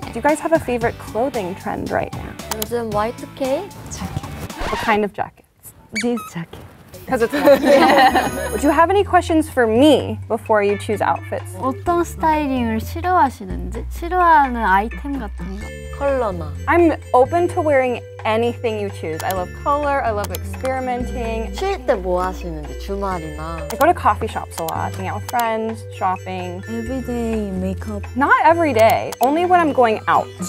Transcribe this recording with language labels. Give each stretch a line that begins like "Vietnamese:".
English: Do you guys have a favorite clothing trend right now?
Korean: 요즘 Y2K? 자켓.
English: What kind of jackets? These jackets. Because it's funny. Yeah. Do you have any questions for me before you choose outfits?
Korean: 어떤 스타일링을 싫어하시는지? 싫어하는 아이템 같은 거? 컬러나.
English: I'm open to wearing anything you choose. I love color, I love experimenting.
Korean: 쉴 때 뭐 하시는지, 주말이나?
English: I go to coffee shops a lot, hang out with friends, shopping. Everyday makeup? Not every day, only when I'm going out.